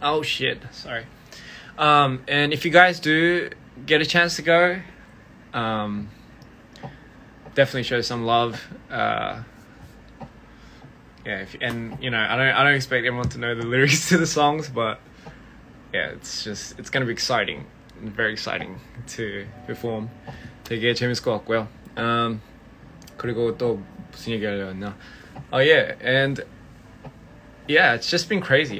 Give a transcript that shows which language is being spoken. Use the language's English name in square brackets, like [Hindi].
[English] Oh shit, sorry. And if you guys do get a chance to go, definitely show some love. Yeah, I don't expect everyone to know the lyrics to the songs, but yeah, it's gonna be exciting, very exciting to perform. [Korean] 되게 재밌을 것 같고요. 그리고 또 무슨 얘기하려고 했나? [English] Oh yeah, and yeah, it's just been crazy.